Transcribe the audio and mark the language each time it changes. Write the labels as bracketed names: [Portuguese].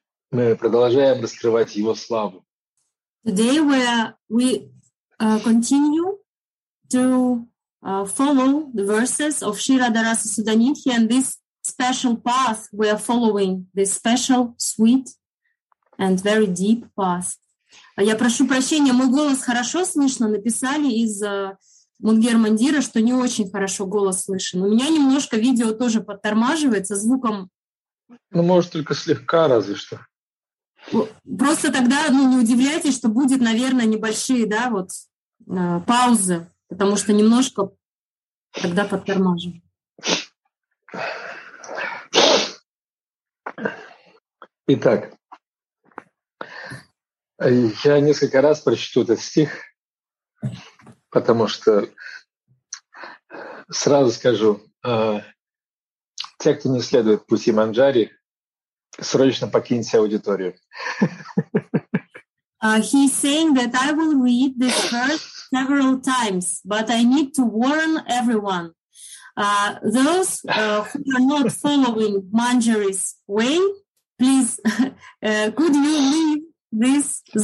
[Russian] Мы продолжаем раскрывать его славу. [English] Today we continue to follow the verses of Shri Radharasa Sudhanidhi and this special path we are following, this special, sweet and very deep path. [Russian] Я прошу прощения, мой голос хорошо слышно. Написали из Мунгер-Мандира, что не очень хорошо голос слышен. У меня немножко видео тоже подтормаживается звуком. Ну, может, только слегка, разве что. Просто тогда, ну, не удивляйтесь, что будет, наверное, небольшие, да, вот, паузы, потому что немножко тогда подтормаживаю. Итак. Я несколько раз прочту этот стих, потому что сразу скажу, те, кто не следует пути Манджари, срочно покиньте аудиторию. [English] He's saying that I will read this verse several times, but I need to warn everyone. Those who are not following Manjari's way, please, could you leave This.